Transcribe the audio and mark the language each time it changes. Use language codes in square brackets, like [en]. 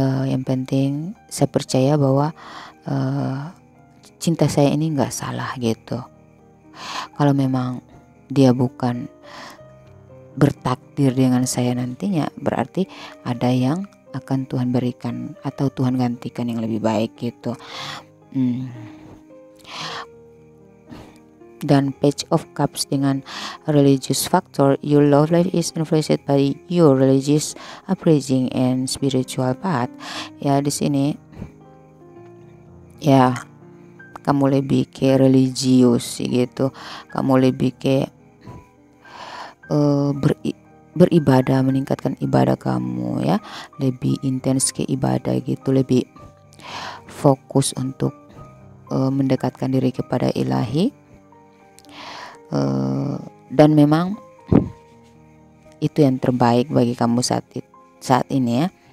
[id] Yang penting saya percaya bahwa cinta saya ini enggak salah gitu. Kalau memang dia bukan bertakdir dengan saya nantinya, berarti ada yang akan Tuhan berikan atau Tuhan gantikan yang lebih baik gitu. Dan [en] Page of Cups dengan religious factor, your love life is influenced by your religious upbringing and spiritual path. [id] Ya di sini, ya kamu lebih ke religius gitu, kamu lebih ke beribadah, meningkatkan ibadah kamu ya, lebih intens ke ibadah gitu, lebih fokus untuk mendekatkan diri kepada Ilahi, dan memang itu yang terbaik bagi kamu saat ini ya.